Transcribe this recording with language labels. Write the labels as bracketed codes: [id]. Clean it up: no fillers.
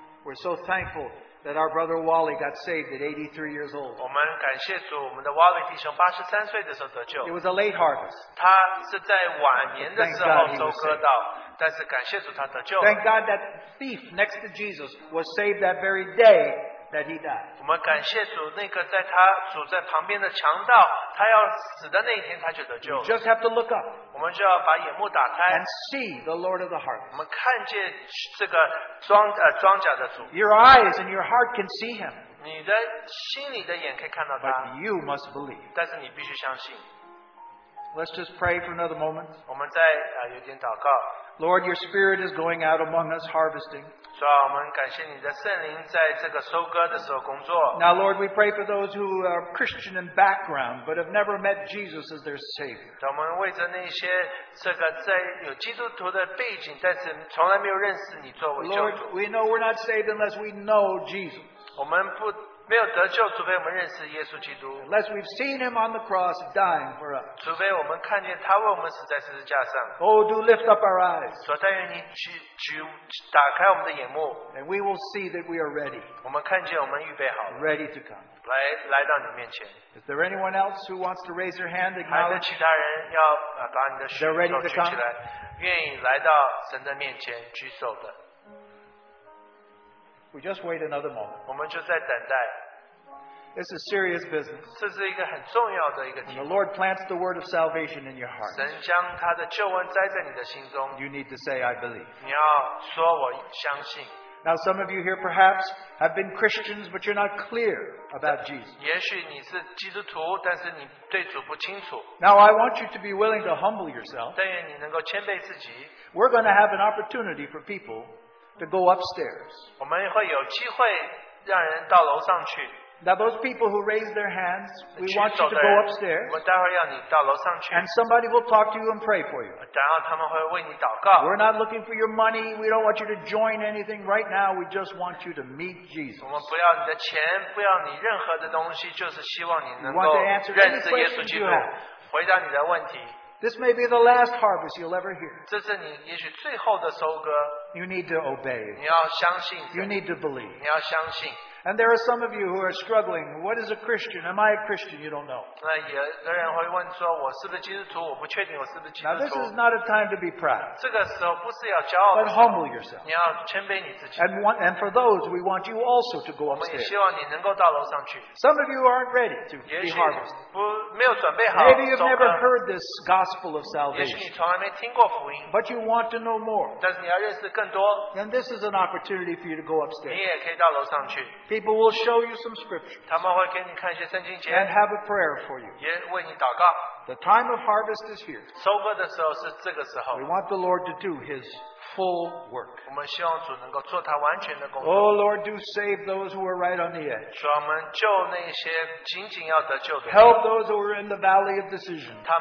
[en] we're so thankful that our brother Wally got saved at 83 years old. [zh] 我们感谢主, 我们的Wally弟兄, 83岁的时候得救, [en] it was a late harvest. [zh] 他是在晚年的时候收割到, [en] thank God that thief next to Jesus was saved that very day that he died. [zh] 我们感谢主那个在他主在旁边的强盗, 他要死的那一天他就得救了。 [en] We just have to look up [zh] 我们就要把眼目打开, [en] and see the Lord of the harvest. [zh] 我们看见这个庄稼的主。 [en] Your eyes and your heart can see him. [zh] 你的心里的眼可以看到他。 [en] But you must believe. [zh] 但是你必须相信。 [en] Let's just pray for another moment. [zh] 我们再有点祷告。 [en] Lord, your Spirit is going out among us harvesting. [zh] 主啊,我们感谢你的圣灵在这个收割的时候工作。 [en] Now, Lord, we pray for those who are Christian in background but have never met Jesus as their Savior. [zh] 主啊,我们为着那些有基督徒的背景但是从来没有认识你作为救主。 [en] Lord, we know we're not saved unless we know Jesus. [zh] 没有得救除非我们认识耶稣基督, [en] unless we've seen him on the cross dying for us. [zh] 除非我们看见他为我们死在十字架上, [en] oh, do lift up our eyes. [zh] 所以但愿你打开我们的眼目, [en] and we will see that we are ready. [zh] 我们看见我们预备好了, [en] ready to come. [zh] 来到你面前。 [en] Is there anyone else who wants to raise their hand? [zh] 还有其他人要把你的手举起来, [en] they're ready to come. [zh] 愿意来到神的面前举手的。 [en] We just wait another moment. [zh] 我们就在等待。 [en] This is serious business. [zh] 这是一个很重要的一个题目。 [en] When the Lord plants the word of salvation in your heart, [zh] 神将他的救恩栽在你的心中, [en] you need to say, I believe. [zh] 你要说我相信。 [en] Now some of you here perhaps have been Christians, but you're not clear about Jesus. [zh] 也许你是基督徒, 但是你对主不清楚。 [en] Now I want you to be willing to humble yourself. [zh] 但愿你能够谦卑自己。 [en] We're going to have an opportunity for people to go upstairs. [zh] 我们会有机会让人到楼上去。 [en] Now those people who raise their hands, we want you to go upstairs. [zh] 我待会要你到楼上去。 [en] And somebody will talk to you and pray for you. [zh] 然后他们会为你祷告。 [en] We're not looking for your money. We don't want you to join anything right now. We just want you to meet Jesus. [zh] 我们不要你的钱, 不要你任何的东西, 就是希望你能够认识耶稣基督。回答你的问题。 [en] This may be the last harvest you'll ever hear. [zh] 这是你也许最后的收割。 [en] You need to obey. [zh] 你要相信。 [en] You need to believe. [zh] 你要相信。 [en] And there are some of you who are struggling. What is a Christian? Am I a Christian? You don't know. [zh] 那有人会问说,我是不是基督徒?我不确定我是不是基督徒。 [en] Now this is not a time to be proud. [zh] 这个时候不是要骄傲。 [en] But humble yourself. [zh] 你要谦卑你自己。 [en] And for those, we want you also to go upstairs. [zh] 我们也希望你能够到楼上去。 [en] Some of you aren't ready to be harvested. [zh] 没有准备好, [en] maybe you've never heard this gospel of salvation. [zh] 也许你从来没听过福音, [en] but you want to know more. [zh] 但是你要认识更多, [en] then this is an opportunity for you to go upstairs. [zh] 你也可以到楼上去。 [en] People will show you some scripture. [zh] 他们会给你看一些圣经节, [en] and have a prayer for you. [zh] 也为你祷告。 [en] The time of harvest is here. [zh] 收割的时候是这个时候。 [en] We want the Lord to do his full work. [zh] 我们希望主能够做他完全的工作。 [en] Oh Lord, do save those who are right on the edge. [zh] 主啊,我们救那些紧紧要得救的人。 [en] Help those who are in the valley of decision.